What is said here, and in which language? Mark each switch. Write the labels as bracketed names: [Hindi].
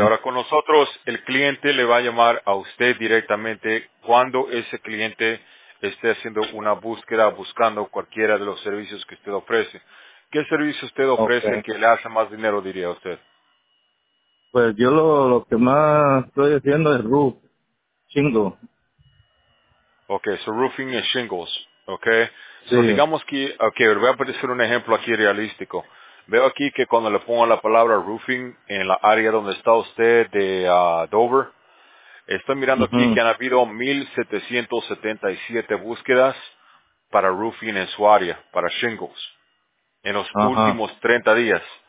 [Spanish] Ahora con nosotros, el cliente le va a llamar a usted directamente cuando ese cliente esté haciendo una búsqueda, buscando cualquiera de los servicios que usted ofrece. ¿Qué servicio usted ofrece que le hace más dinero, diría usted? Pues yo lo que más estoy haciendo es roof, shingles. [English] Okay, so roofing and shingles, okay. [Spanish] Sí. So digamos que, okay, voy a poner un ejemplo aquí realístico. Veo aquí que cuando le pongo la palabra roofing en la área donde está usted de Dover, estoy mirando aquí que han habido 1,777 búsquedas para roofing en su área, para shingles, en los últimos 30 días.